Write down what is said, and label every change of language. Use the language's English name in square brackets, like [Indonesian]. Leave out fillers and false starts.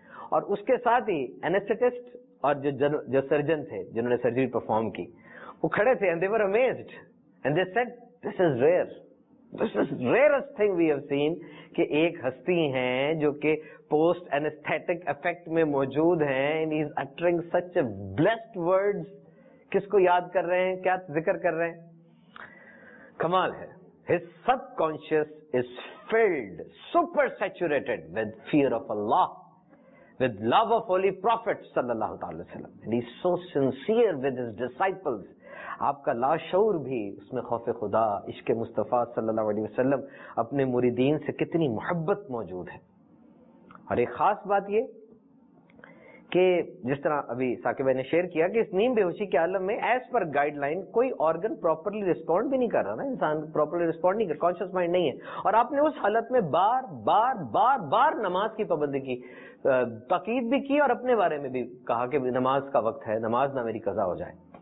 [Urdu] اور اس کے ساتھ ہی انستھیسٹ اور جو سرجن تھے جنہوں نے سرجری پرفارم کی، وہ کھڑے تھے [English] and they were amazed and they said this is rare. This is the rarest thing we have seen, [Urdu] کہ ایک ہستی ہیں جو کہ پوسٹ انستھیٹک افیکٹ میں موجود ہیں، [English] And he is uttering such a blessed words. [Urdu] کس کو یاد کر رہے ہیں؟ کیا ذکر کر رہے ہیں؟ کمال ہے. [English] His subconscious is filled, super saturated with fear of Allah, with love of holy prophet صلی اللہ تعالی وسلم. And he's so sincere with his disciples. [Urdu] آپ کا لاشعور بھی اس میں خوف خدا، عشق مصطفیٰ صلی اللہ علیہ وسلم، اپنے مریدین سے کتنی محبت موجود ہے. اور ایک خاص بات یہ کہ جس طرح ابھی ثاقب نے شیئر کیا کہ اس نیم بے ہوشی کے عالم میں [English] as per guideline [Urdu] کوئی آرگن پراپرلی ریسپونڈ بھی نہیں کر رہا نا، انسان پراپرلی ریسپونڈ نہیں کر، کانشیس مائنڈ نہیں ہے، اور آپ نے اس حالت میں بار بار بار بار نماز کی پابندی کی، تاکید بھی کی، اور اپنے بارے میں بھی کہا کہ نماز کا وقت ہے، نماز نہ میری قضا ہو جائے.